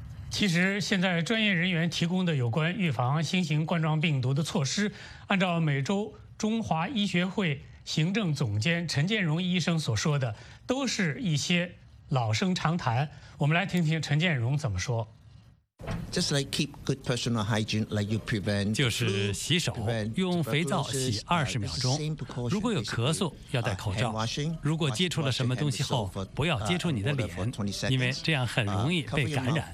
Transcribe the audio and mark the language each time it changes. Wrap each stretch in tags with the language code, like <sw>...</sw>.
<zh>其实现在专业人员提供的有关预防新型冠状病毒的措施，按照美洲中华医学会行政总监陈建荣医生所说的，都是一些老生常谈。我们来听听陈建荣怎么说。</zh> <en>Just like keep good personal hygiene, like you prevent.</en> <zh>就是洗手，用肥皂洗20秒钟。如果有咳嗽，要戴口罩。如果接触了什么东西后，不要接触你的脸，因为这样很容易被感染。</zh>